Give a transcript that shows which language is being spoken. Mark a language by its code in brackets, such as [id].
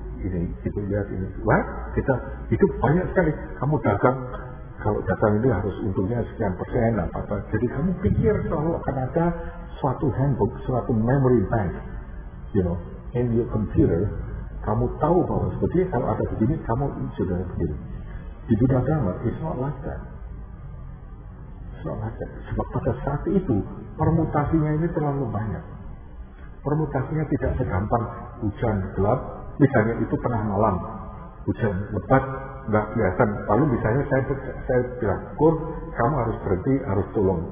[id] Ini, itu lihat ini. Wah, kita hidup banyak sekali. Kamu dagang, kalau dagang ini harus untungnya sekian persen, apa-apa. Jadi kamu pikir selalu akan ada suatu handbook, suatu [en] memory bank, you know, in your computer. [id] Kamu tahu bahwa seperti kalau ada begini, kamu sudah begini. [en] Di Buddha Dharma, it's not like that. [id] Sebab pada saat itu, permutasinya ini terlalu banyak. Permutasinya tidak segampang hujan gelap, misalnya itu tengah malam, hujan lebat, nggak kelihatan. Lalu misalnya saya bilang, Kur, kamu harus berhenti, harus tolong.